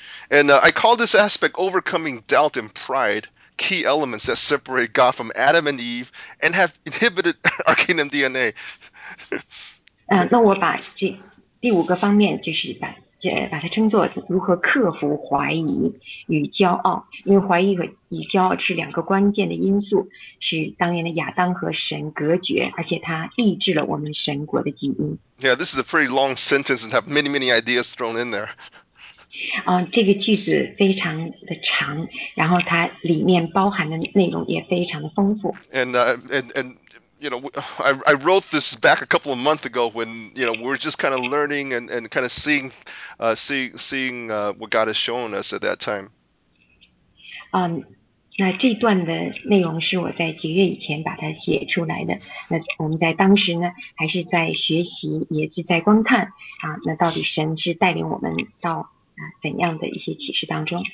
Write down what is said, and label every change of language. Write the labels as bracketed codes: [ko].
[en] And I call this aspect overcoming doubt and pride, key elements that separate God from Adam and Eve and have inhibited our kingdom DNA. [zh] 那我把这第五个方面就是把它称作如何克服怀疑与骄傲，因为怀疑与骄傲是两个关键的因素，是当年的亚当和神隔绝，而且它抑制了我们神国的基因。 [en] Yeah, this is a pretty long sentence and have many, many ideas thrown in there. [zh] 这个句子非常的长，然后它里面包含的内容也非常的丰富。 [en] And you know, I wrote this back a couple of months ago when, you know, we were just kind of learning and kind of seeing what God has shown us at that time. [zh] 那这段的内容是我在几月以前把它写出来的。那我们在当时呢，还是在学习，也是在观看啊。那到底神是带领我们到怎样的一些启示当中